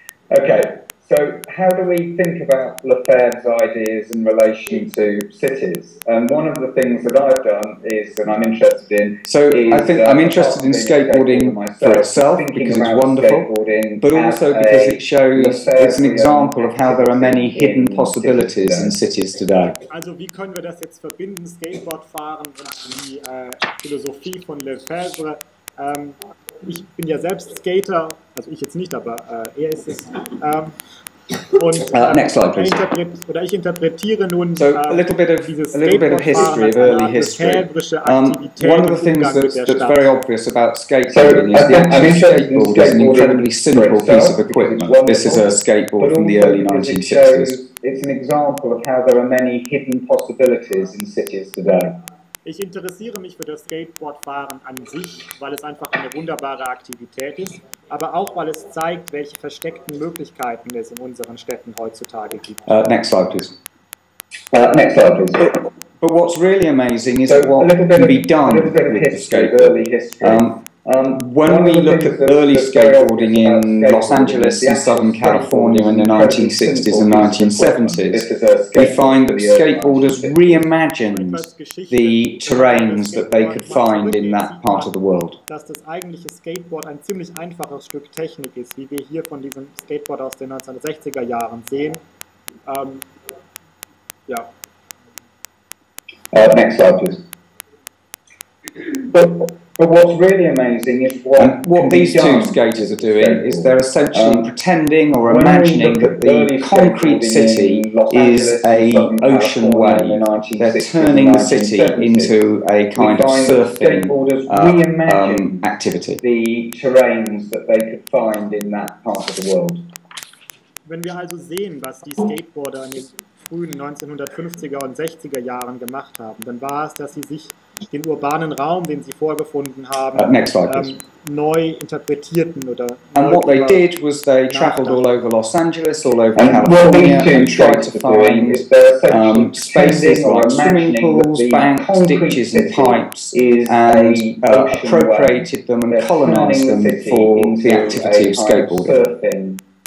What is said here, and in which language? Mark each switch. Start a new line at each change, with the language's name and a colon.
English: Okay, so how do we think about Lefebvre's ideas in relation to cities? And one of the things that I've done is, and I'm interested in. So I think I'm interested in skateboarding for itself because it's wonderful, but also because it shows it's an example of how there are many hidden possibilities in cities today.
German: Also, wie können wir das jetzt verbinden, Skateboard fahren und die Philosophie von Lefebvre? Ich bin ja selbst Skater, also ich jetzt nicht, aber er ist es. Und
English: next slide, please.
German: Ich interpretiere nun
English: so a little bit of a little bit of history of early history. One of the things that's very obvious about skateboarding is the actual skateboard is an incredibly simple piece of equipment. This is a skateboard from the early 1960s. It's an example of how there are many hidden possibilities in cities today.
German: Ich interessiere mich für das Skateboardfahren an sich, weil es einfach eine wunderbare Aktivität ist, aber auch, weil es zeigt, welche versteckten Möglichkeiten es in unseren Städten heutzutage gibt.
English: Next slide, please. Next slide, please. But what's really amazing is what can be done with the skateboard. When we look at early skateboarding in Los Angeles and Southern California in the 1960s and 1970s, we find that skateboarders reimagined the terrains that they could find in that part of the world.
German: Dass das eigentliche Skateboard ein ziemlich einfaches Stück Technik ist, wie wir hier von diesem Skateboard aus den 1960er Jahren sehen.
English: Next slide, please. But what's really amazing is what these two skaters are doing is they're essentially pretending or imagining that the concrete city is a ocean wave. They're turning the city into a kind of surfing activity. The terrains that they could find in that part of the world.
German: Wenn wir also sehen, was die Skateboarder in den frühen 1950er und 60er Jahren gemacht haben, dann war es, dass sie sich den urbanen Raum, den sie vorgefunden haben,
English: next slide,
German: neu interpretierten oder
English: and what they did was they traveled all over Los Angeles, all over California, and tried to find spaces like swimming pools, banks, ditches, and pipes, and appropriated them and colonized them for the activity of skateboarding.